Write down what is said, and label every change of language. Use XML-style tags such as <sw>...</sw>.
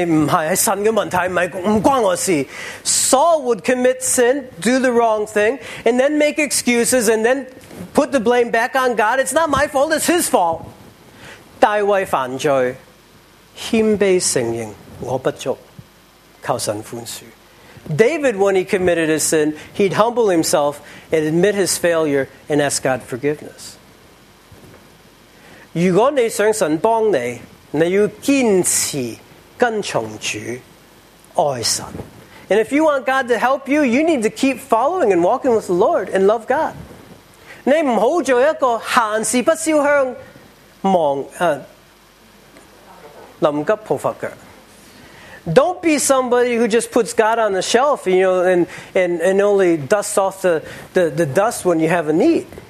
<zh>扫罗就犯罪,跟着就用藉口维护自己,觉得是神的问题,不关我事。</zh> <en>Saul would commit sin, do the wrong thing, and then make excuses, and then put the blame back on God. It's not my fault, it's his fault.</en> <zh>大卫犯罪,谦卑承认,我不足。</zh> <en>David, when he committed his sin, he'd humble himself and admit his failure and ask God forgiveness.</en> <zh>如果你想神帮你,你要坚持跟从主爱神。</zh> <en>And if you want God to help you, you need to keep following and walking with the Lord and love God.</en> <zh>你不要做一个闲事不消香,临急抱佛脚。</zh> <en>Don't be somebody who just puts God on the shelf, you know, and only dusts off the dust when you have a need.</en>